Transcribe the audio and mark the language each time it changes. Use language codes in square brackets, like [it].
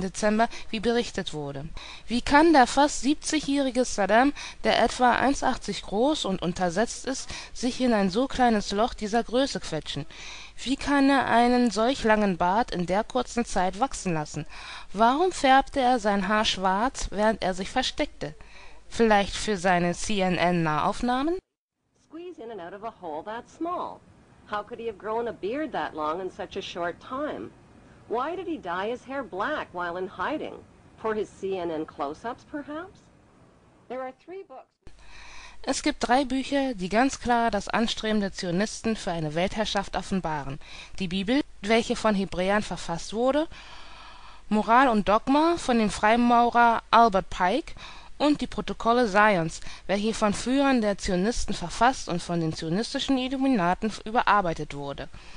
[de] Dezember, wie berichtet wurde. Wie kann der fast 70-jährige Saddam, der etwa 1,80 groß und untersetzt ist, sich in ein so kleines Loch dieser Größe quetschen? Wie kann er einen solch langen Bart in der kurzen Zeit wachsen lassen? Warum färbte er sein Haar schwarz, während er sich versteckte? Vielleicht für seine CNN-Nahaufnahmen? [en] Squeeze in and out of a hole that small. How could he have grown a beard that long in such a short time? Why did he dye his hair black while in hiding? For his CNN close-ups perhaps? There are 3 books. [de] Es gibt 3 Bücher, die ganz klar das Anstreben der Zionisten für eine Weltherrschaft offenbaren. Die Bibel, welche von Hebräern verfasst wurde, Moral und Dogma von dem Freimaurer Albert Pike und die Protokolle Zions, welche von Führern der Zionisten verfasst und von den zionistischen Illuminaten überarbeitet wurde.